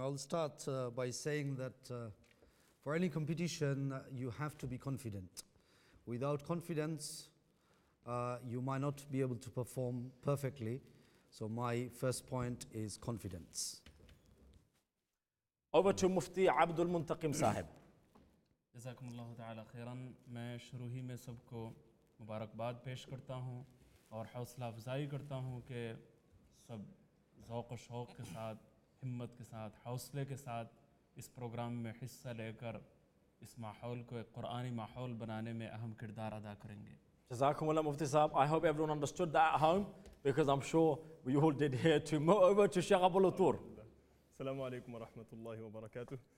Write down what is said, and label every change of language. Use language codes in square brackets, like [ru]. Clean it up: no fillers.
[en] I'll start by saying that for any competition, you have to be confident. Without confidence, you might not be able to perform perfectly. So my first point is confidence. Over to Mufti Abdul Muntaqim Sahib. [ur] جزاكم اللہ تعالی خیراً. میں شروع ہی میں سب کو مبارکباد پیش کرتا ہوں اور حوصلہ افزائی کرتا ہوں کہ سب ذوق و شوق کے ساتھ، ہمت کے ساتھ، حوصلے کے ساتھ اس پروگرام میں حصہ لے کر اس ماحول کو ایک قرآنی ماحول بنانے میں اہم کردار ادا کریں گے. جزاکم اللہ مفتی صاحب. [en] I hope everyone understood that at home, because I'm sure we all did here too. Moreover to Sheikh Abul Atur. [ar] السلام علیکم ورحمۃ اللہ وبرکاتہ.